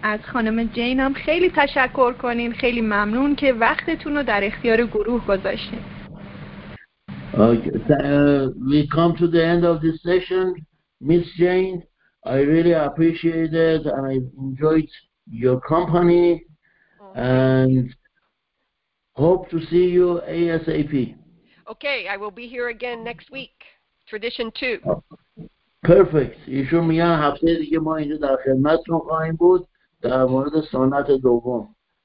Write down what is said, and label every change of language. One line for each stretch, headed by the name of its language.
Persian: از خانم جین هم خیلی تشکر کنین، خیلی ممنون که وقتتون رو در اختیار گروه گذاشتین. Okay.
English: We come to the end of this session. Miss Jane, I really appreciate it and I enjoyed your company and hope to see you ASAP. Okay, I will be here again next week. Tradition 2. Perfect.
Persian: ایشون میگن هفته دیگه ما اینجا در خدمتتون خواهیم بود در مورد سنت دوم.